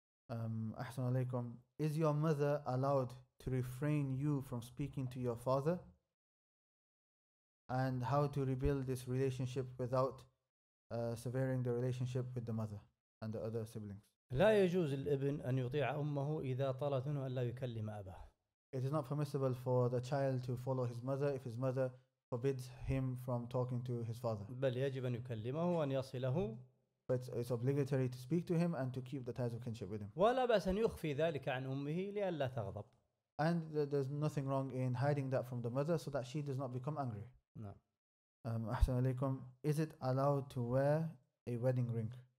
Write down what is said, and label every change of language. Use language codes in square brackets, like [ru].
[ar] Ahsan alaykum. [en] Is your mother allowed to refrain you from speaking to your father? And how to rebuild this relationship without severing the relationship with the mother and the other siblings? [ar] لا يجوز الابن أن يطيع أمه إذا طلبت منه أن لا يكلم أباه. [en] It is not permissible for the child to follow his mother if his mother forbids him from talking to his father. [ar] بل يجب أن يكلمه وأن يصله. [en] But it's obligatory to speak to him and to keep the ties of kinship with him. [ar] ولا بأس أن يخفي ذلك عن أمه لئلا تغضب. [en] And there's nothing wrong in hiding that from the mother so that she does not become angry. [ar] نعم. أحسن عليكم. [en] Is it allowed to wear a wedding ring?